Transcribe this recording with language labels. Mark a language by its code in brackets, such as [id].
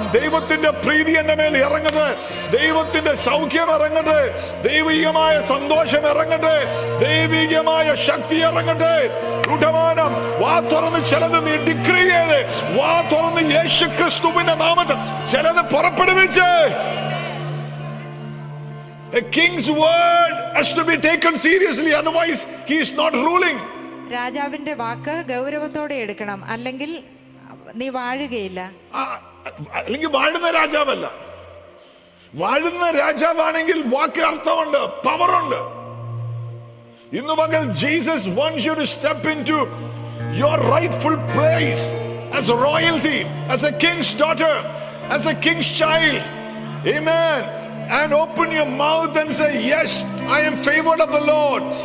[ml] ദൈവത്തിന്റെ പ്രീതി എന്റെ മേൽ ഇറങ്ങട്ടെ. ദൈവത്തിന്റെ സൗഖ്യം ഇറങ്ങട്ടെ. ദൈവികമായ സന്തോഷം ഇറങ്ങട്ടെ. ദൈവികമായ ശക്തി ഇറങ്ങട്ടെ. ഉടമാനം വാ, തുറന്ന് ചിലത് നീ ഡിക്രീ ചെയ്ത്, വാ തുറന്ന് യേശു ക്രിസ്തുവിന്റെ നാമത്തിൽ ചിലത് പുറപ്പെടുവിച്ച്. [en] The king's word has to be taken seriously, otherwise he is not ruling. [ml] രാജാവിന്റെ വാക്ക് ഗൗരവത്തോടെ എടുക്കണം, അല്ലെങ്കിൽ നീ വാഴുകയില്ല. അല്ലെങ്കിൽ വാഴുന്ന രാജാവല്ല. വാഴുന്ന രാജാവാണെങ്കിൽ വാക്ക് അർത്ഥമുണ്ട്, പവറുണ്ട്. ഇന്ന് പകൽ [en] Jesus wants you to step into your rightful place as a royalty, as a king's daughter, as a king's child. [ml] Amen. [en] And open your mouth and say, yes, I am favored of the Lord.